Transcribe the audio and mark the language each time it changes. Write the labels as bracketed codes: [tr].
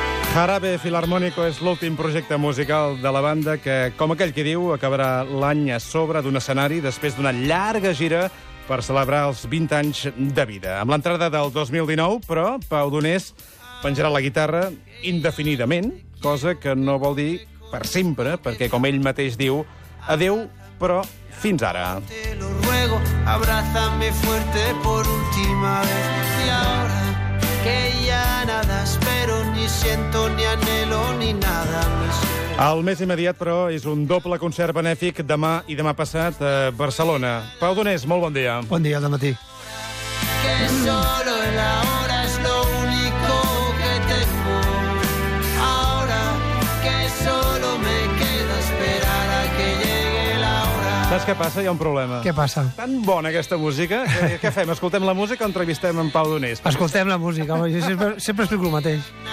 [ca] Jarabe Filarmónico és l'últim projecte musical de la banda que, com aquell que diu, acabarà l'any a sobre d'un escenari després d'una llarga gira per celebrar els 20 anys de vida. Amb l'entrada del 2019, però, Pau Donés penjarà la guitarra indefinidament, cosa que no vol dir per sempre, perquè, com ell mateix diu, adéu, però fins ara. [es] Te lo ruego, abrázame fuerte por última vez. Y ahora que ya nada espero, ni siento, ni anhelo, ni nada más. [ca] El més immediat, però, és un doble concert benèfic demà i demà passat a Barcelona. Pau Donés, molt bon dia. Bon dia, dematí. [es] Que solo en la hora es lo único que tengo. Ahora que solo me queda esperar a que llegue la hora. [ca] Saps què passa? Hi ha un problema. Què passa? Tan bona aquesta música. Què fem? Escoltem la música o entrevistem en Pau Donés? Escoltem la música. Sempre explico el mateix.